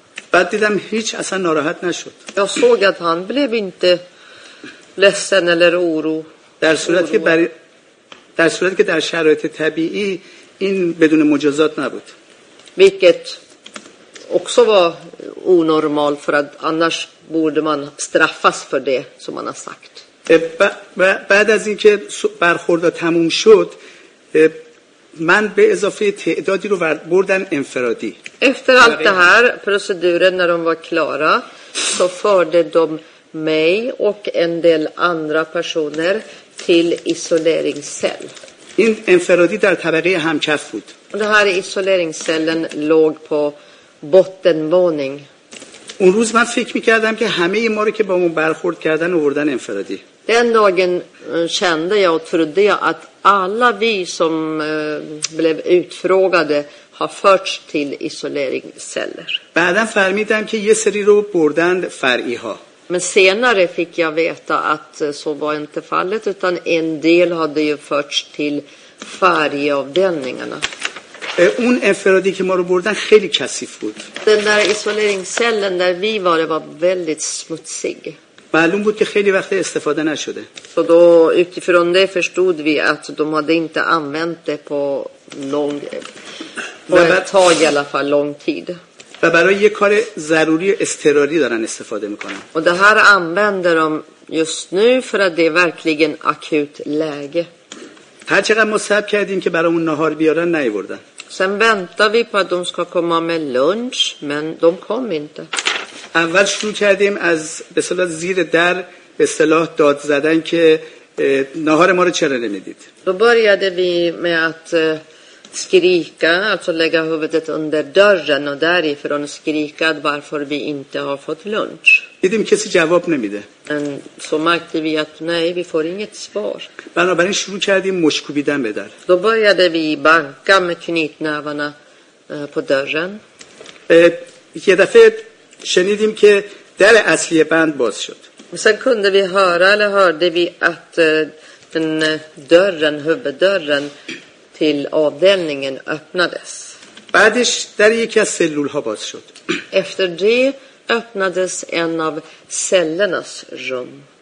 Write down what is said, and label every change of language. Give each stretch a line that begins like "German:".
Persian: بعد دیدم هیچ اصلا ناراحت نشد.
Swedish: Jag såg att han blev inte ledsen eller oro.
Persian: در صورت که در شرایط طبیعی این بدون مجازات نبود.
Swedish: Vilket också vara onormal, för att annars borde man straffas för det som man har sagt.
Persian: بعد از اینکه برخورد تموم شد من به اضافه تعدادی رو بردم انفرادی.
Swedish: Efter allt det här proceduren när de var klara så förde de mig och en del andra personer till isoleringscell.
Persian: این انفرادی در طبقه همکف بود.
Swedish: Och det här isoleringscellen låg på bottenvåning.
Persian: اون روز من فکر میکردم که همه ما رو که با من برخورد کردن آوردن انفرادی.
Swedish: Den dagen kände jag och trodde jag att alla vi som blev utfrågade har förts till isoleringsceller.
Persian: بعدن فهمیدم که یه سری رو بردن فرعی‌ها.
Swedish: Men senare fick jag veta att så var inte fallet, utan en del hade ju förts till färgavdelningarna.
Persian: اون انفرادی که ما رو بردن خیلی کثیف بود.
Swedish: Den där isoleringscellen där vi var väldigt smutsig.
Persian: معلوم بود که خیلی وقت استفاده نشده.
Swedish: Så då utifrån det förstod vi att de hade inte använt det på lång tid, i alla fall lång tid.
Persian: و برای یه کار ضروری اضطراری دارن استفاده میکنن.
Swedish: Och det här använder de just nu för att det är verkligen akut läge.
Persian: هر چقدر ما صبر کردیم که برامون نهار بیارن نیوردن.
Swedish: Sen väntar vi på att de ska komma med lunch, men de kom inte.
Persian: اول شروع کردیم از به اصطلاح زیر در به اصطلاح داد زدن که نهار ما رو چرا نمیدید.
Swedish: Då började vi med att skrika, alltså lägga huvudet under dörren och därifrån skrika varför vi inte har fått lunch.
Persian: دیدیم کسی جواب نمیده.
Swedish: Så märkte vi att nej, vi får inget svar.
Persian: بنابراین شروع کردیم مشکوبیدن به در.
Swedish: Då började vi banka med knytnävarna på dörren.
Persian: یه دفعه شنیدیم که در اصلی بند باز شد.
Swedish: Sen kunde vi höra, eller hörde vi att den dörren, huvuddörren till avdelningen öppnades.
Persian: بعدش در یکی از سلول‌ها باز شد.
Swedish: Efter det öppnades en av cellernas rum.